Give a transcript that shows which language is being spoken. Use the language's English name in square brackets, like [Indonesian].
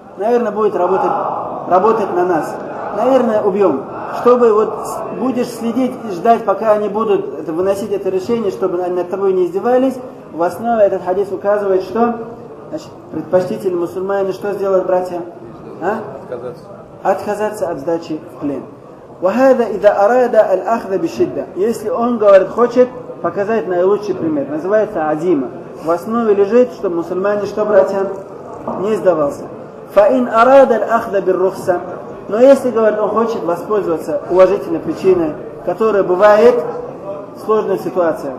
[Russian] Наверное, будет работать на нас. Наверное, убьем. Чтобы вот будешь следить и ждать, пока они будут выносить это решение, чтобы они над тобой не издевались, в основе этот хадис указывает, что Значит, предпочтительно мусульмане, что сделают братья? А? Отказаться от сдачи в плен. [Arabic] وهذا إذا أراد الأخذ بشدة. [Russian] Если он говорит хочет показать наилучший пример, называется азима. В основе лежит, что мусульмане, что братья, не сдавался. [Arabic] فإن أراد الأخذ بالرخصة. [Russian] Но если говорит он хочет воспользоваться уважительной причиной, которая бывает сложная ситуация.